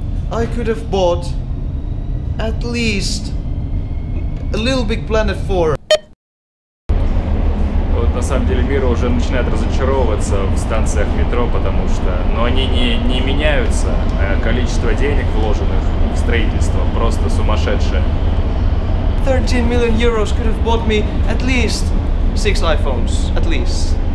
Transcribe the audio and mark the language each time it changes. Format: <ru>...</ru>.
<en>I could have bought at least a Little Big Planet 4.</en> <ru>Вот на самом деле Мира уже начинает разочаровываться в станциях метро, потому что, но они не меняются. Количество денег, вложенных в строительство, просто сумасшедшее.</ru> <en>13 million euros could have bought me at least 6 iPhones, at least.</en>